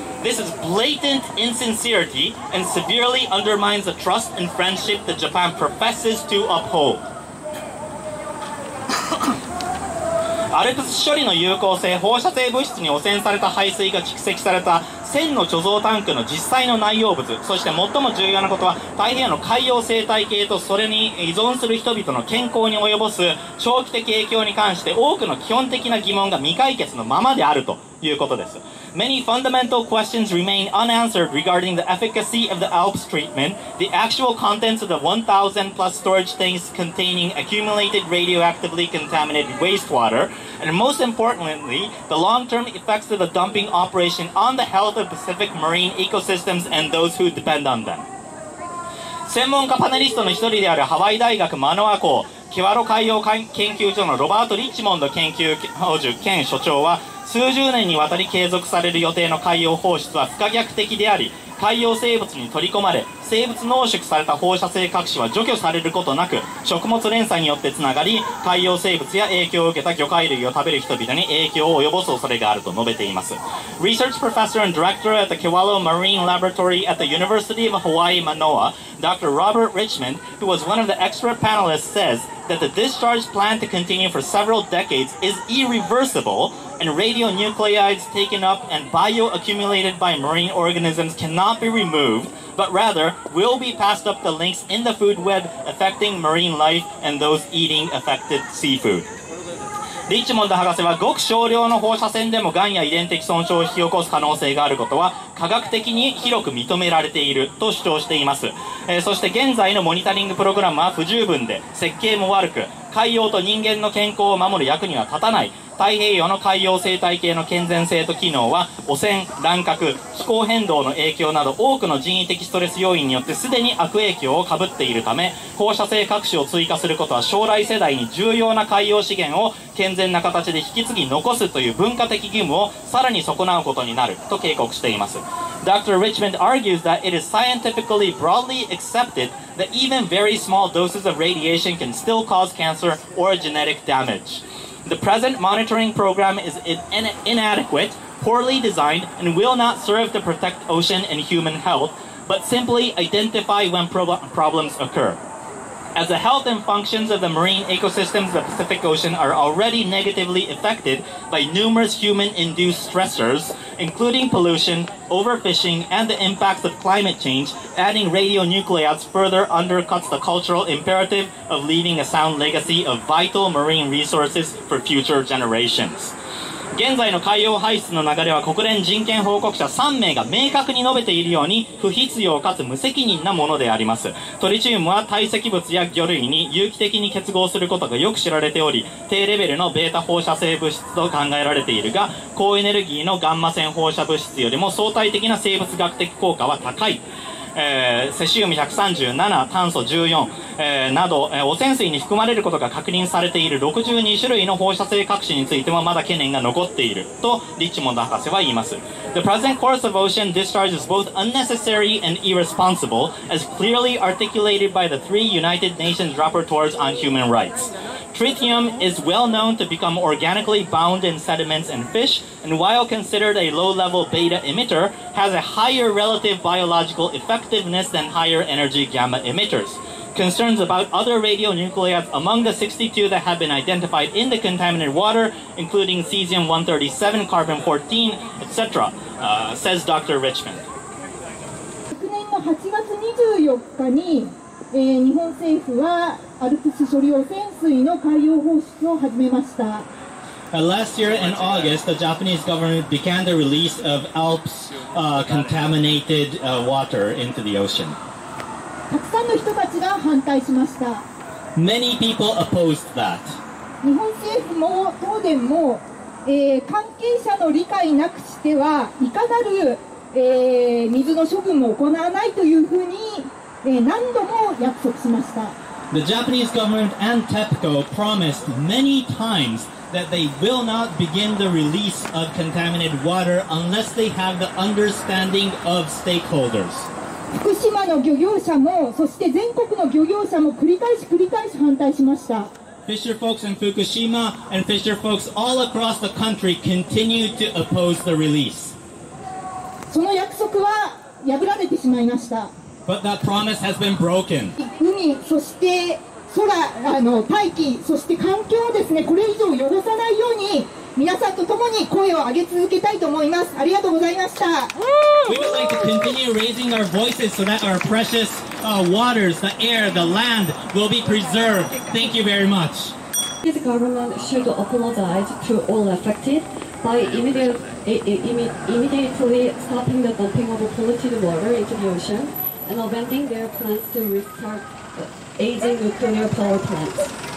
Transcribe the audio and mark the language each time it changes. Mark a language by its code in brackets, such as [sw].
[en] This is blatant insincerity and severely undermines the trust and friendship that Japan professes to uphold. [ja] アルプス処理の有効性、放射性物質に汚染された排水が蓄積された1000の貯蔵タンクの実際の内容物、そして最も重要なことは太平洋の海洋生態系とそれに依存する人々の健康に及ぼす長期的影響に関して多くの基本的な疑問が未解決のままであるということです。 [en] Many fundamental questions remain unanswered regarding the efficacy of the ALPS treatment, the actual contents of the 1000 plus storage tanks containing accumulated radioactively contaminated wastewater, and most importantly, the long-term effects of the dumping operation on the health of Pacific marine ecosystems and those who depend on them. [ja] 専門家パネリストの一人であるハワイ大学マノア校キワロ海洋研究所のロバート・リッチモンド研究教授兼所長は、数十年にわたり継続される予定の海洋放出は不可逆的であり、海洋生物に取り込まれ、生物濃縮された放射性核子は除去されることなく、食物連鎖によってつながり、海洋生物や影響を受けた魚介類を食べる人々に影響を及ぼす恐れがあると述べています。 [en] Research Professor and Director at the Kewalo Marine Laboratory at the University of Hawaii Manoa, Dr. Robert Richmond, who was one of the expert panelists, says that the discharge plan to continue for several decades is irreversible. And radionuclides taken up and bioaccumulated by marine organisms cannot be removed, but rather will be passed up the links in the food web affecting marine life and those eating affected seafood. [ja] リッチモンド博士はごく少量の放射線でもがんや遺伝的損傷を引き起こす可能性があることは科学的に広く認められていると主張しています。そして現在のモニタリングプログラムは不十分で設計も悪く、海洋と人間の健康を守る役には立たない。太平洋の海洋生態系の健全性と機能は汚染、乱獲、気候変動の影響など多くの人為的ストレス要因によってすでに悪影響をかぶっているため、放射性核子を追加することは将来世代に重要な海洋資源を健全な形で引き継ぎ残すという文化的義務をさらに損なうことになると警告しています。 [en] Dr. Richmond argues that it is scientifically broadly accepted that even very small doses of radiation can still cause cancer or genetic damageThe present monitoring program is inadequate, poorly designed, and will not serve to protect ocean and human health, but simply identify when problems occur. As the health and functions of the marine ecosystems of the Pacific Ocean are already negatively affected by numerous human-induced stressors, including pollution, overfishing, and the impacts of climate change, adding radionuclides further undercuts the cultural imperative of leaving a sound legacy of vital marine resources for future generations. [ja] 現在の海洋排出の流れは国連人権報告者3名が明確に述べているように不必要かつ無責任なものであります。トリチウムは堆積物や魚類に有機的に結合することがよく知られており、低レベルのベータ放射性物質と考えられているが、高エネルギーのガンマ線放射物質よりも相対的な生物学的効果は高い。セシウム137、炭素14、など、汚染水に含まれることが確認されている62種類の放射性核子についてもまだ懸念が残っているとリッチモンド博士は言います。 [en] The present course of ocean discharge is both unnecessary and irresponsible as clearly articulated by the three United Nations rapporteurs on human rights. Tritium is well known to become organically bound in sediments and fish, and while considered a low-level beta emitter, has a higher relative biological effectiveness than higher energy gamma emitters. Concerns about other radionuclides among the 62 that have been identified in the contaminated water, including cesium-137, carbon-14, etc., says Dr. Richmond. [ja] 昨年の8月24日に、日本政府はアルプス処理汚染水の海洋放出を始めました。 [en] Last year in August, the Japanese government began the release of Alps contaminated water into the ocean. [ja] たくさんの人たちが反対しました。 [en] Many people opposed that. [ja] 日本政府も東電も、関係者の理解なくしてはいかなる、水の処分も行わないというふうに、何度も約束しました。 [en] The Japanese government and TEPCO promised many times that they will not begin the release of contaminated water unless they have the understanding of stakeholders. [ja] 福島の漁業者も、そして全国の漁業者も繰り返し反対しました。 [en] Fisher folks in Fukushima and fisher folks all across the country continue to oppose the release. [ja] その約束は破られてしまいました。 [en] But that promise has been broken. [ja] 海、そして空、大気、そして環境をですね、これ以上汚さないように皆さんと共に声を上げ続けたいと思います。ありがとうございました。 [en] We would like to continue raising our voices so that our precious waters, the air, the land will be preserved. Thank you very much. This government should apologize to all affected by immediately stopping the dumping of polluted water into the oceanAnd preventing their plans to restart aging nuclear power plants.